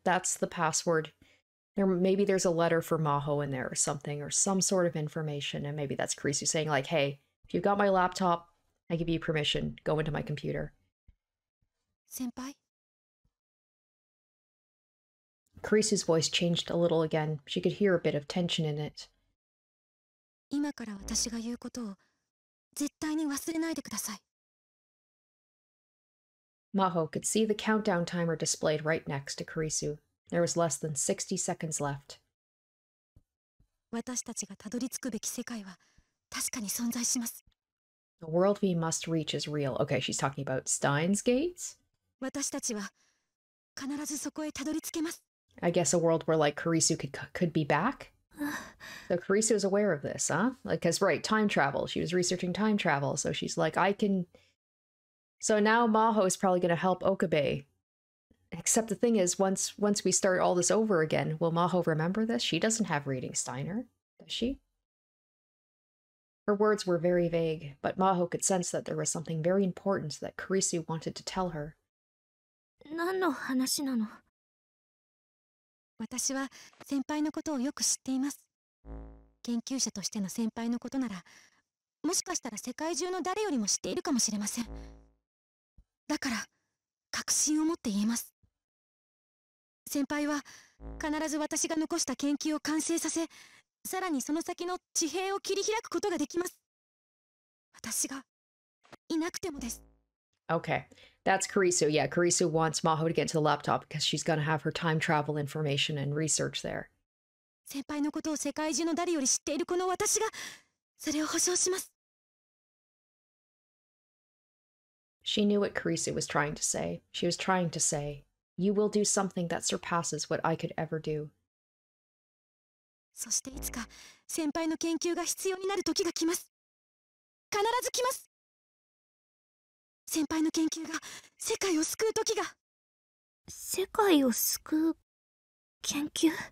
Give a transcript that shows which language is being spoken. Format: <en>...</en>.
<en>That's the password. There, maybe there's a letter for Maho in there or something, or some sort of information, and maybe that's Kirisu saying like, hey, if you've got my laptop, I give you permission. Go into my computer. Senpai? Kirisu's voice changed a little again. She could hear a bit of tension in it.</en> <ja>今から私が言うことを絶対に忘れないでください。</ja> <en>Maho could see the countdown timer displayed right next to Kirisu. There was less than 60 seconds left.</en> <ja>私たちがたどり着くべき世界は確かに存在します。</ja> <en>The world we must reach is real. Okay, she's talking about Steins Gates?</en> <ja>私たちは必ずそこへたどり着けます。</ja> <en>I guess a world where, like, Kirisu could be back? So Kirisu is aware of this, huh? Like, because, right, time travel. She was researching time travel, so she's like, I can... So now Maho is probably going to help Okabe. Except the thing is, once we start all this over again, will Maho remember this? She doesn't have reading Steiner, does she? Her words were very vague, but Maho could sense that there was something very important that Kirisu wanted to tell her.</en> <ja>何の話なの? 私は先輩のことをよく知っています。研究者としての先輩のことなら、もしかしたら世界中の誰よりも知っているかもしれません。だから、確信を持って言えます。先輩は必ず私が残した研究を完成させ、さらにその先の地平を切り開くことができます。私がいなくてもです。</ja> <en>Okay. That's Kirisu. Yeah, Kirisu wants Maho to get to the laptop because she's gonna have her time travel information and research there.</en> <ja>先輩のことを世界中の誰より知っているこの私がそれを保証します。</ja> <en>She knew what Kirisu was trying to say. She was trying to say, you will do something that surpasses what I could ever do.</en> <ja>そしていつか先輩の研究が必要になる時が来ます。必ず来ます。先輩の研究が世界を救う時が世界を救う研究</ja>